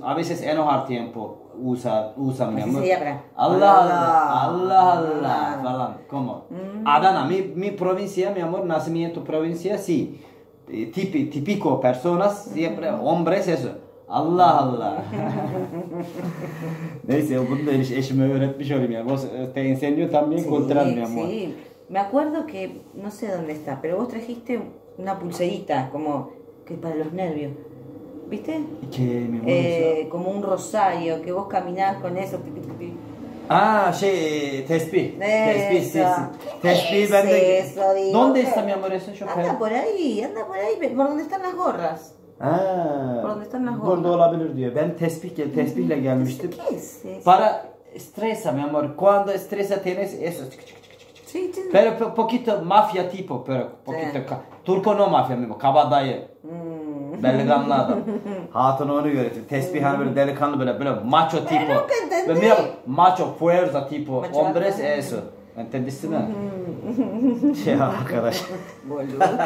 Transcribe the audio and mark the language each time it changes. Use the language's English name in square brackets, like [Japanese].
[Spanish] A veces enojar tiempo. Usa, usa mi amor. Allah Allah. Allah Allah. Falan. Como. Adana. Mi provincia mi amor. Nacimiento provincia. Si. Sí. Tipico personas. Siempre. Hombres eso. Allah Allah. [Turkish] Neyse bunu da eşime öğretmiş olayım ya. [Spanish] Vos te enseño también cultural mi amor. Sí. Me acuerdo que no sé dónde está, pero vos trajiste una pulserita como que para los nervios. ¿Viste? ¿Qué, mi amor, como un rosario que vos caminás con eso. [Turkish] Ah, şey, tespih. Tespih, tespih. Ben de [Spanish] eso, digo, ¿dónde está mi amor eso? Anda por ahí, ¿por dónde están las gorras? [Turkish] Ha. Burada olabilir diyor. Ben tesbihle gelmiştim. [Spanish] Para stres mi amor? Cuando estresa tienes eso. Pero poquito mafia tipo, pero poquito. Turco no mafia mi amor. [Turkish] Kabadayı. Delikanlı adam. Hatun onu görüyor. Tesbih hani böyle delikanlı böyle [Spanish] macho tipo. Pero que macho fuerza tipo. Hombres eso. ¿Entendiste mi? [Turkish] Şey arkadaş. [Spanish] Boludo.